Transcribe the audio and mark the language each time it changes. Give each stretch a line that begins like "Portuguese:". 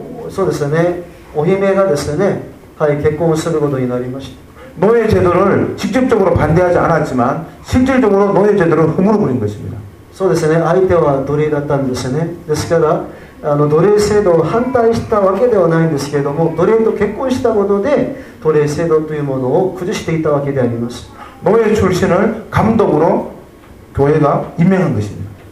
Japanese: そうですね、お姫がですね、はい、結婚をすることになりました。
Korean: 노예제도를직접적으로반대하지않았지만실질적으로노예제도를허물어버린것입니다
Japanese: そうですね、相手は奴隷だったんですね。ですから奴隷制度を反対したわけではないんですけれども、奴隷と結婚したことで奴隷制度というものを崩していたわけであります。
Korean: 노예출신을감독으로교회가임명한것입니다。